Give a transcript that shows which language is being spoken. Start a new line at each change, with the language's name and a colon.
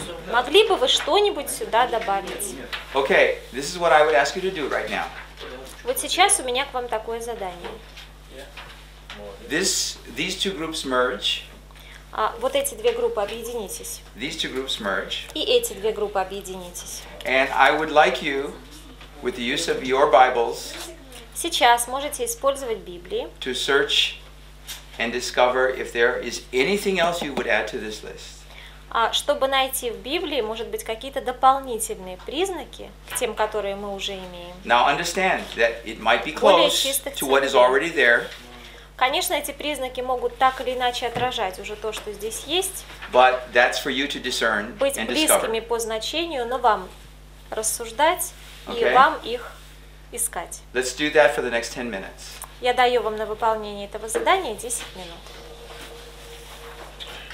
Russian: Могли бы вы что-нибудь сюда добавить?
English: Okay, this is what I would ask you to do right now.
Russian: Вот сейчас у меня к вам такое задание.
English: These two groups merge.
Russian: Вот эти две группы объединитесь.
English: These two groups merge.
Russian: И эти две группы объединитесь.
English: And I would like you with the use of your Bibles.
Russian: Сейчас можете использовать Библии.
English: To search and discover if there is anything else you would add to this list.
Russian: Чтобы найти в Библии, может быть, какие-то дополнительные признаки к тем, которые мы уже имеем.
English: Now understand that it might be close to what is already there.
Russian: Конечно, эти признаки могут так или иначе отражать уже то, что здесь есть.
English: But that's for you to discern and
Russian: Быть близкими по значению, но вам рассуждать и вам их искать.
English: Let's do that for the next 10 minutes.
Russian: Я даю вам на выполнение этого задания 10 минут.